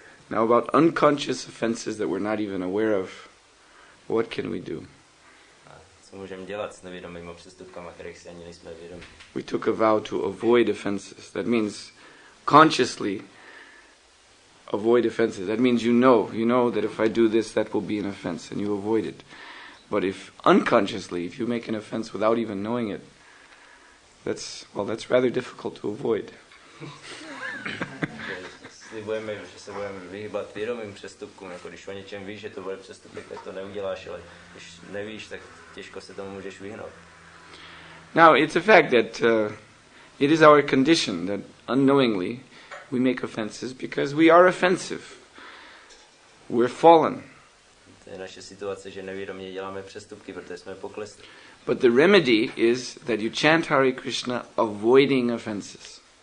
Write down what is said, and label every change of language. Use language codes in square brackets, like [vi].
[en] Now about unconscious offenses that we're not even aware of, what can we do? [cs] Co můžeme dělat s nevědomými přestupkama, kterých si ani nejsme vědomi? [en] We took a vow to avoid offenses. That means consciously avoid offenses. That means you know that if I do this, that will be an offense, and you avoid it. But if unconsciously, if you make an offense without even knowing it, that's rather difficult to avoid. [cs] Slibujeme, že se budeme vyhýbat vědomým přestupkům, jako když o něčem víš, že to bude přestupek, tak to neuděláš, ale když nevíš, tak těžko se tomu můžeš vyhnout. [en] Now, it's a fact that it is our condition that unknowingly we make offenses because we are offensive. We're fallen. [cs] To je naše situace, že nevědomě děláme přestupky, protože jsme poklesli. [en] But the remedy is that you chant Hare Krishna avoiding offenses.